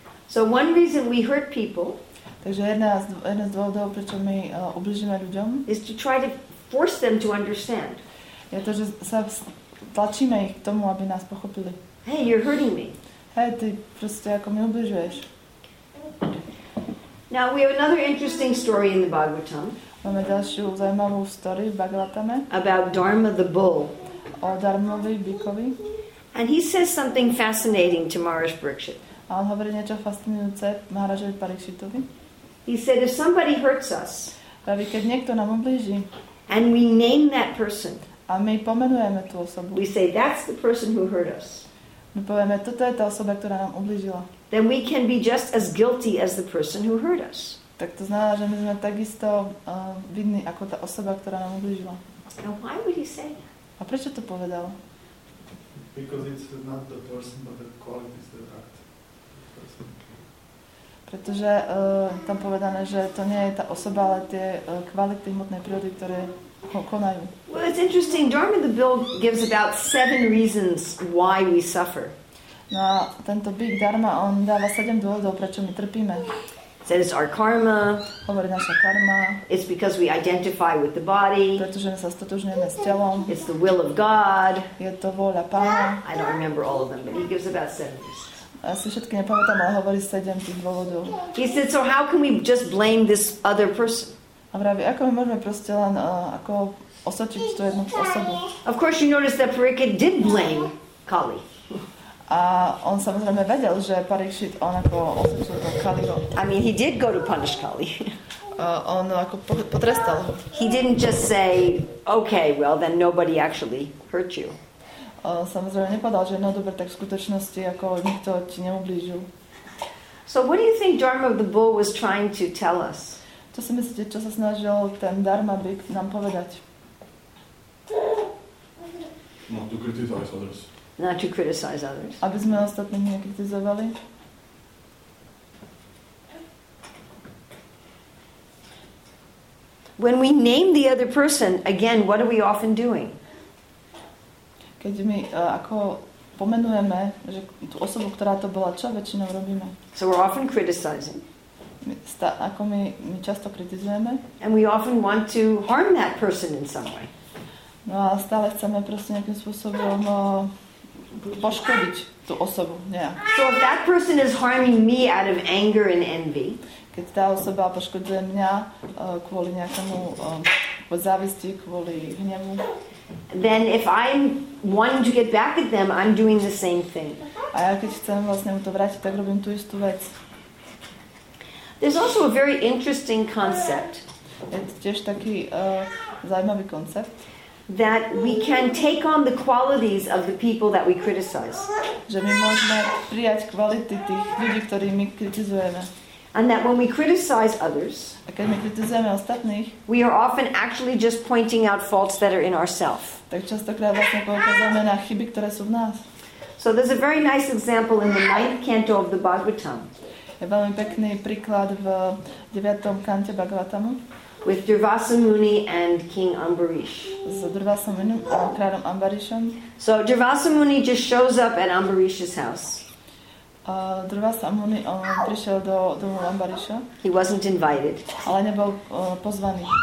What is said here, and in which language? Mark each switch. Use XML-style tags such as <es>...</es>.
<en>So one reason we hurt people.</en> <sk>Takže jedna z dôvodov, prečo my ubližíme ľuďom,</sk> <en>is to try to force them to understand.</en> <sk>Je to, že sa tlačíme ich k tomu, aby nás pochopili.</sk> <en>Hey, you're hurting me.</en> <sk>Hey, ty proste ako mi ubližuješ.</sk> <en>Now we have another interesting story in the Bhagavatam.</en> <sk>Máme ďalšiu zaujímavú story v Bhagavatame.</sk> <en>About Dharma the bull.</en> <sk>O Dharmovi bykovi.</sk> <en>And he says something fascinating to Maharaj Parikshit.</en> <sk>A on hovorí niečo fascinujúce Maharajovi Parikshitovi.</sk> <en>He said, if somebody hurts us,</en> <sk>praví, keď niekto nám ublíži,</sk> <en>and we name that person,</en> <sk>a my pomenujeme tú osobu,</sk> <en>we say, that's the person who hurt us,</en> <sk>my povieme, toto je tá osoba, ktorá nám ublížila,</sk> <en>then we can be just as guilty as the person who hurt us.</en> <sk>Tak to znamená, že my sme takisto vinní ako tá osoba, ktorá nám ublížila.</sk> <en>Now why would he say that?</en> <sk>A prečo to povedal?</sk> <en>Because it's not the person, but the qualities that act.</en> <sk>Pretože tam povedané, že to nie je tá osoba, ale tie kvality hmotnej prírody, ktoré konajú.</sk> <en>Well, it's interesting. Dharma the bull gives about 7 reasons why we suffer.</en> <sk>No, tento big dharma, on dáva 7 dôvodov, prečo my trpíme.</sk> <en>Says our karma.</en> <sk>Hovorí naša karma.</sk> <en>It's because we identify with the body.</en> <sk>Pretože my sa stotožňujeme s telom.</sk> <en>It's the will of God.</en> <sk>Je to vôľa Pána.</sk> <en>I don't remember all of them, but he gives about 7 reasons.</en> <sk>Ja si všetky nepamätám, ale hovorí 7 tých dôvodov.</sk> <en>He said, so how can we just blame this other person?</en> <sk>A vraví, ako my môžeme proste len ako osočiť tú jednu osobu?</sk> <en>Of course you noticed that Parikshit did blame Kali.</en> <sk>A on samozrejme vedel, že Parikshit, on ako osočil to Kaliho.</sk> <en>I mean, he did go to punish Kali.</en> <sk>On ako potrestal.</sk> <en>He didn't just say, okay, well, then nobody actually hurt you.</en> <sk>Samozrejme nepovedal, že no dobre, tak v skutočnosti ako nikto ti neublížil.</sk> <en>So what do you think Dharma the bull was trying to tell us?</en> <sk>Čo si myslíte, čo sa snažil ten Dharma byk nám povedať?</sk> <en>Not to criticize others. Not to criticize others.</en> <sk>Aby sme ostatných nekritizovali.</sk> <en>When we name the other person, again, what are we often doing?</en> <sk>Keď my ako pomenujeme, že tú osobu, ktorá to bola, čo väčšinou robíme?</sk> <en>So we're often criticizing.</en> <sk>My často kritizujeme.</sk> <en>And we often want to harm that person in some way.</en> <sk>No a stále chceme proste nejakým spôsobom poškodiť tú osobu, nejak.</sk> <en>So if that person is harming me out of anger and envy,</en> <sk>keď tá osoba poškodzuje mňa kvôli nejakému závisti, kvôli hnevu,</sk> <en>then if I'm wanting to get back at them, I'm doing the same thing.</en> <sk>A ja keď chcem vlastne mu to vrátiť, tak robím tú istú vec.</sk> <en>There's also a very interesting concept.</en> <sk>Je to tiež taký zaujímavý koncept.</sk> <en>That we can take on the qualities of the people that we criticize.</en> <sk>Že my môžeme prijať kvality tých ľudí, ktorých my kritizujeme.</sk> <en>And that when we criticize others,</en> <sk>a keď my kritizujeme ostatných,</sk> <en>we are often actually just pointing out faults that are in ourselves.</en> <sk>Tak častokrát vlastne poukazujeme na chyby, ktoré sú v nás.</sk> <en>So there's a very nice example in the 9th canto of the Bhagavatam.</en> <sk>Je veľmi pekný príklad v 9. kante Bhagavatamu.</sk> <en>With Durvasa Muni and King Ambarish.</en> <sk>So Durvasa Muni a kráľom Ambarishom.</sk> <en>So Durvasa Muni just shows up at Ambarish's house.</en> <sk>Durvasa Muni prišiel do domu Ambarisha.</sk> <en>He wasn't invited.</en> <sk>Ale nebol pozvaný.</sk>